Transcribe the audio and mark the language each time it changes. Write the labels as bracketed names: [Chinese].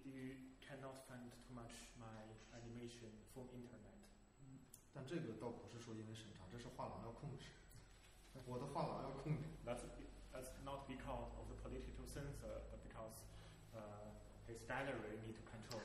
[English] You cannot find too much my animation from internet. [Chinese] 但这个倒不是说因为审查，这是画廊要控制。我的画廊要控制。 [English] That's not because of the political censor, but because his gallery need to control.